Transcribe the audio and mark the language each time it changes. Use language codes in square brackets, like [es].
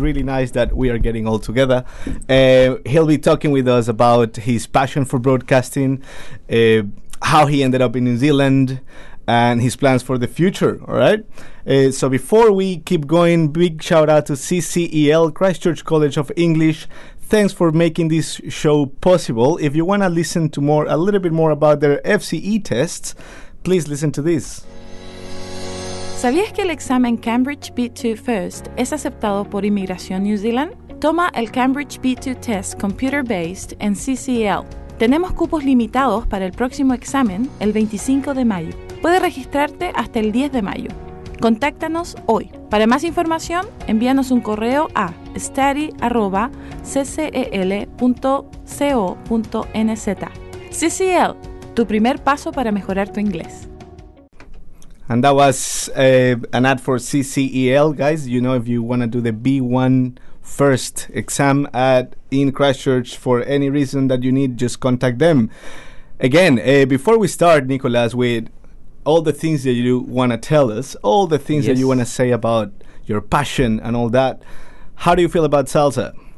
[en] Really nice that we are getting all together. He'll be talking with us about his passion for broadcasting, how he ended up in New Zealand, and his plans for the future, all right? So before we keep going, big shout out to CCEL, Christchurch College of English. Thanks for making this show possible. If you want to listen to more, a little bit more about their FCE tests, please listen to this. [es] ¿Sabías que el examen Cambridge B2 First es aceptado por Inmigración New Zealand? Toma el Cambridge B2 Test Computer Based en CCEL. Tenemos cupos limitados para el próximo examen el 25 de mayo. Puedes registrarte hasta el 10 de mayo. Contáctanos hoy. Para más información, envíanos un correo a study@ccel.co.nz. CCEL, tu primer paso para mejorar tu inglés. [en] And that was an ad for CCEL, guys. You know, if you want to do the B1 first exam at in Christchurch for any reason that you need, just contact them. Again, before we start, Nicolas, with all the things that you want to tell us, all the things that you want to say about your passion and all that, how do you feel about salsa?